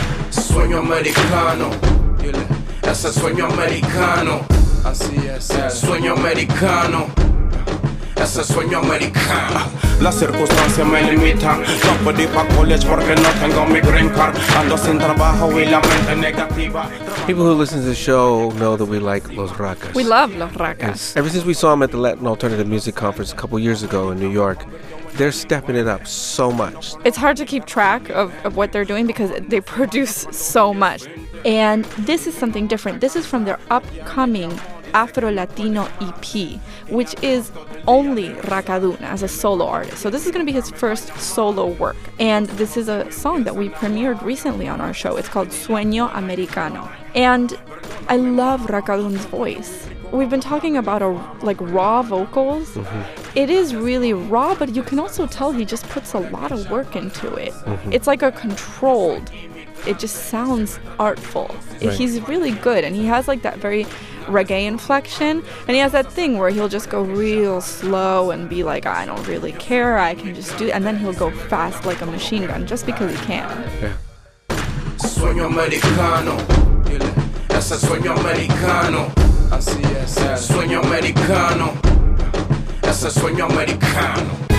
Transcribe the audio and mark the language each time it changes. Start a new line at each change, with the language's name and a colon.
Spanish: Sueño americano. Ese sueño americano, así es. Sueño americano. Ese sueño americano. Las circunstancias me limitan. No puedo ir para college porque no tengo mi green card. Ando sin trabajo y la mente negativa.
English: People who listen to the show know that we like Los Racas. We love Los Racas. And ever since we saw them at the Latin Alternative Music Conference a couple years ago in New York, they're stepping it up so much. It's hard to keep track of what they're doing because they produce so much. And this is something different. This is from their upcoming Afro Latino EP, which is only Racadun as a solo artist. So this is going to be his first solo work. And this is a song that we premiered recently on our show. It's called Sueño Americano. And I love Racadun's voice. We've been talking about like raw vocals. It is really raw, but you can also tell he just puts a lot of work into it. It's like a controlled, it just sounds artful. He's really good, and he has like that very reggae inflection, and he has that thing where he'll just go real slow and be like, I don't really care, I can just do it, and then he'll go fast like a machine gun just because he can.
Spanish: Sueño americano, ese sueño americano, así es. Sueño americano, ese sueño americano.